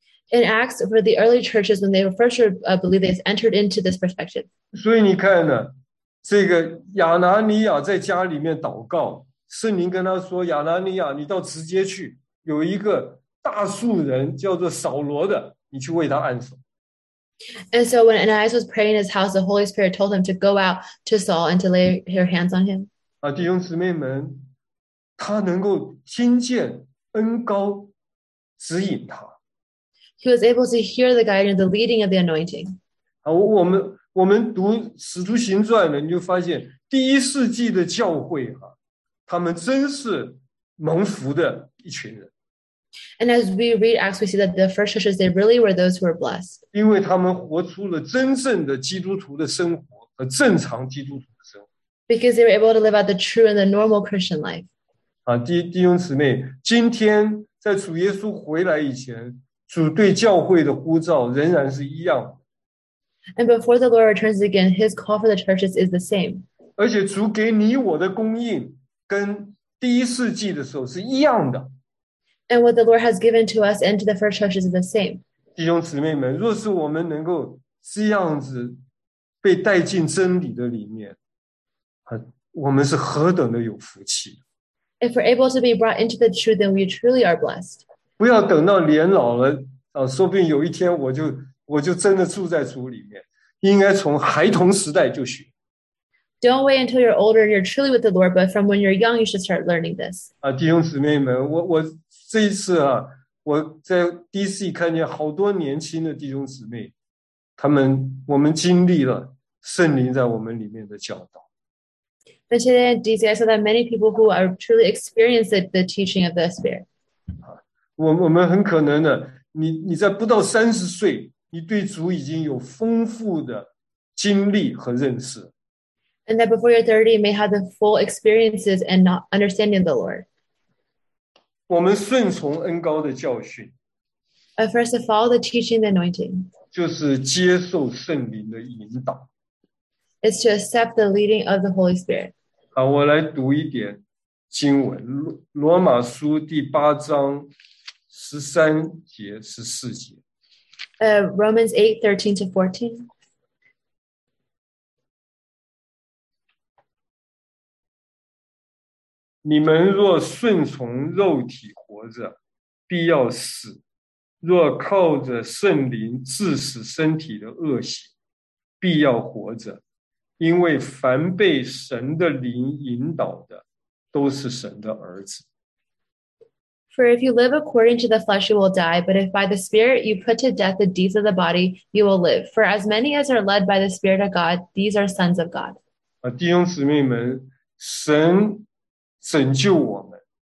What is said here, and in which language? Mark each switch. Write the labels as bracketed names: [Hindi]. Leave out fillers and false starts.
[English] In Acts, for the early churches, when they were first believed, they entered into this perspective. [Chinese] 所以你看呢，这个亚拿尼亚在家里面祷告，圣灵跟他说：“亚拿尼亚，你到直接去，有一个大数人叫做扫罗的，你去为他按手。” [English] And so when Ananias was praying in his house, the Holy Spirit told him to go out to Saul and to lay your hands on him. [Chinese] 啊，弟兄姊妹们，他能够听见恩膏指引他。 [English] He was able to hear the guidance, the leading of the anointing. [Chinese] 我们读《使徒行传》呢，你就发现第一世纪的教会哈，他们真是蒙福的一群人。 [English] And as we read Acts, we see that the first churches, they really were those who were blessed. [Chinese] 因为他们活出了真正的基督徒的生活和正常基督徒的生活。 [English] Because they were able to live out the true and the normal Christian life. [Chinese] 啊，弟兄姊妹，今天在主耶稣回来以前。主对教会的呼召仍然是一样的。 [English] And before the Lord returns again, His call for the churches is the same. [Chinese] 而且主给你我的供应跟第一世纪的时候是一样的。 [English] And what the Lord has given to us and to the first churches is the same. [Chinese] 弟兄姊妹们，若是我们能够这样子被带进真理的里面，我们是何等的有福气。 [English] If we're able to be brought into the truth, then we truly are blessed. [Chinese] 不要等到年老了、啊、说不定有一天我就真的住在主里面，应该从孩童时代就学。 [English] Don't wait until you're older and you're truly with the Lord, but from when you're young, you should start learning this.、 [Chinese] 啊、弟兄姊妹们，我这一次啊，我在 DC 看见好多年轻的弟兄姊妹，他们我们经历了圣灵在我们里面的教导。 [English] But today in DC, I saw that many people who are truly experienced the teaching of the Spirit. [Chinese] 我们很可能的，你在不到三十岁，你对主已经有丰富的经历和认识。 [English] And that before you're 30, you may have the full experiences and not understanding the Lord. [Chinese] 我们顺从恩膏的教训。 [English] First, to follow the teaching, the anointing. [Chinese] 就是接受圣灵的引导。 [English] It's to accept the leading of the Holy Spirit. [Chinese] 好，我来读一点经文，罗马书第八章。十三节十四节。 [English] Romans 8:13-14. [Chinese] 你们若顺从肉体活着，必要死；若靠着圣灵致死身体的恶行，必要活着。因为凡被神的灵引导的，都是神的儿子。 [English] For if you live according to the flesh, you will die. But if by the Spirit you put to death the deeds of the body, you will live. For as many as are led by the Spirit of God, these are sons of God. [Chinese] 弟兄姊妹们，神拯救我们。